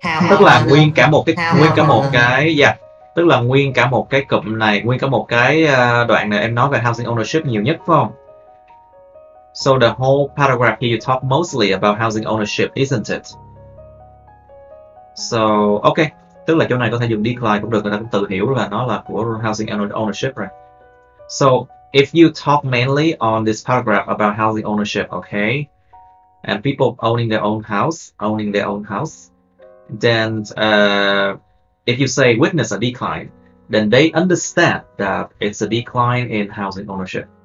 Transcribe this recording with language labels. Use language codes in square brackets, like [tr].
[vi] Tức là nguyên cả một cái tức là nguyên cả một cái cụm này, nguyên cả một cái đoạn này em nói về housing ownership nhiều nhất phải không? [en] So the whole paragraph here you talk mostly about housing ownership, isn't it? So, okay. [vi] Tức là chỗ này có thể dùng decline cũng được, người ta cũng tự hiểu là nó là của housing ownership, right? [en] So, if you talk mainly on this paragraph about housing ownership, okay? And people owning their own house, then if you say witness a decline, then they understand that it's a decline in housing ownership.